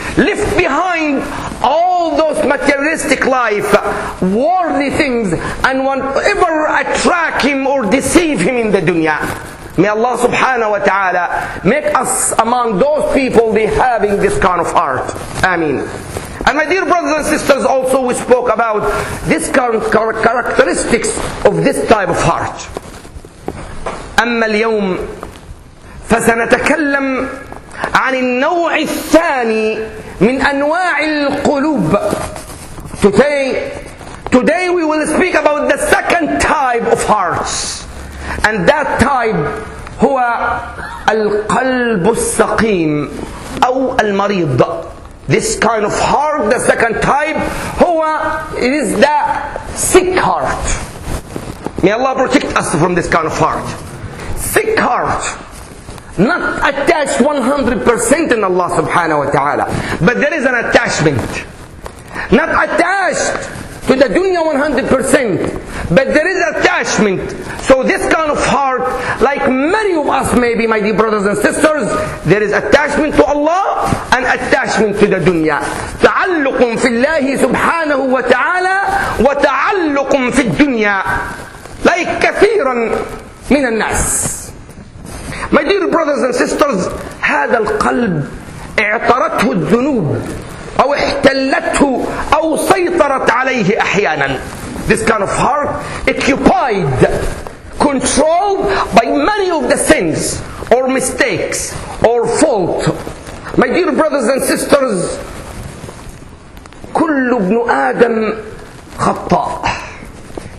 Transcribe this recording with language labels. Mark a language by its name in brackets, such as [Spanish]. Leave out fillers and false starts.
[English] Left behind all those materialistic life, worldly things, and whatever attract him or deceive him in the dunya. May Allah subhanahu wa ta'ala make us among those people they having this kind of heart. Ameen. And my dear brothers and sisters, also we spoke about this kind of characteristics of this type of heart. [Arabic] أَمَّا الْيَوْمِ فسنتكلم عن النوع الثاني من أنواع القلوب. [English] Today we will speak about the second type of hearts. [Arabic] And that type هو القلب السقيم أو المريض. [English] This kind of heart, the second type, it is the sick heart. May Allah protect us from this kind of heart. Sick heart. Not attached 100% in Allah subhanahu wa ta'ala. But there is an attachment. Not attached to with the dunya 100%, but there is attachment. So this kind of heart, like many of us maybe, my dear brothers and sisters, there is attachment to Allah and attachment to the dunya. [Arabic] تَعَلُّقٌ فِي اللَّهِ سُبْحَانَهُ وَتَعَالَى وَتَعَلُّقٌ فِي الدُّنْيَا like كَثِيرًا مِنَ النَّاسِ. My dear brothers and sisters, هذا القلب اعترته الذنوب أو احتلته أو سيطرت عليه أحيانا. [English] This kind of heart occupied, controlled by many of the sins or mistakes or fault. My dear brothers and sisters, كل ابن آدم خطاء.